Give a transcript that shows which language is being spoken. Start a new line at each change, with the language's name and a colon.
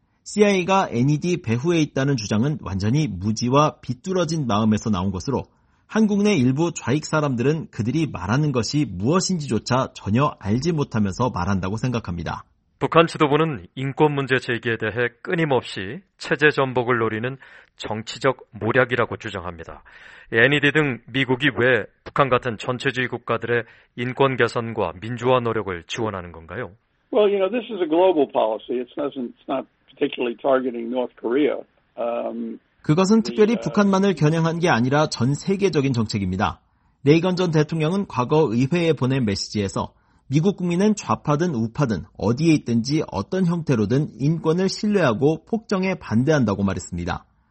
Korean: CIA가 NED 배후에 있다는 주장은 완전히 무지와 비뚤어진 마음에서 나온 것으로 한국 내 일부 좌익 사람들은 그들이 말하는 것이 무엇인지조차 전혀 알지 못하면서 말한다고 생각합니다. 북한 지도부는 인권 문제 제기에 대해 끊임없이 체제 전복을 노리는 정치적 모략이라고 주장합니다. NED 등 미국이 왜 북한 같은 전체주의 국가들의 인권 개선과 민주화 노력을 지원하는 건가요?
English: Well, this is a global policy. It's not particularly targeting North Korea.
Korean: 그것은 특별히 북한만을 겨냥한 게 아니라 전 세계적인 정책입니다. 레이건 전 대통령은 과거 의회에 보낸 메시지에서 미국 국민은 좌파든 우파든 어디에 있든지 어떤 형태로든 인권을 신뢰하고 폭정에 반대한다고 말했습니다.